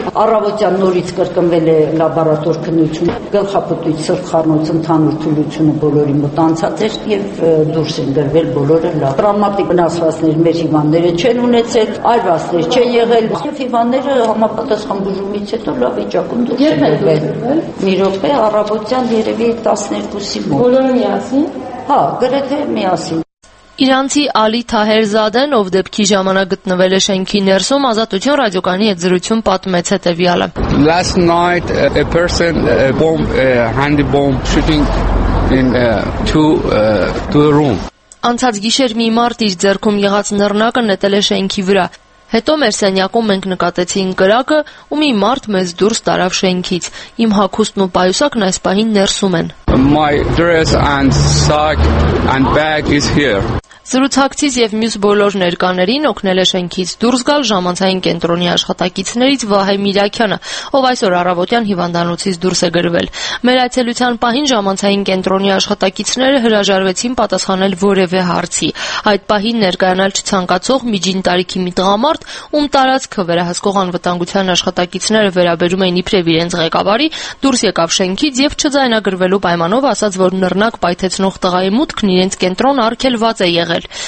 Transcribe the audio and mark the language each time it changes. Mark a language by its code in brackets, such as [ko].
[hy] առավոտյան նորից կրկնվել է լաբորատոր քննություն, գլխապտույտ սրտխառնոց ընդհանուր թուլությունը բոլորի մոտ անցած էր եւ դուրս են գրվել բոլորը լավ, տրավմատիկ վնասվածքներ մեր հիվանդները չեն ունեցել, այլ վնասներ չեն եղել, եւ հիվանդները համապատասխան բուժումից հետո լավ վիճակում դուրս են գալիս։ Մի ռոպե առավոտյան երևի 12-ի մոտ։ Բոլորը միասին։ Հա, գրեթե միասին։ Իրանցի Ալի Թահերզադեն, ով դեպքի ժամանակ գտնվել է շենքի ներսում, Ազատություն ռադիոկանի հետ զրույցում պատմեց հետևյալը. [en] Last night a person a bomb shooting in two room. [hy] Անցած գիշեր մի մարդ իր ձեռքում եղած նռնակը նետել է շենքի վրա։ Հետո մեր սենյակում մենք նկատեցինք կրակը ու մի մարդ մեզ դուրս տարավ շենքից։ Իմ հագուստն ու պայուսակն այս պահին ներսում են։ [en] My dress and sock and bag is here. [hy] Զրուցակցից եւ մյուս բոլոր ներկաներին օգնել է շենքից դուրս գալ ժամանցային կենտրոնի աշխատակիցներից Վահե Միրաքյանը, ով այսօր առավոտյան հիվանդանոցից դուրս է գրվել։ Մեր այցելության պահին ժամանցային կենտրոնի աշխատակիցները հրաժարվեցին պատասխանել որևէ հարցի։ Այդ պահին ներկայանալ չցանկացող միջին տարիքի մի տղամարդ, ում տարածքը վերահսկող անվտանգության աշխատակիցները վերաբերում էին իբրև իրենց ղեկավարի, դուրս եկավ շենքից եւ չձայնագրվելու պայմանով ասաց, որ նռնակ պայթեցնող տղայի մուտքն իրենց կենտրոն արգելված է եղել։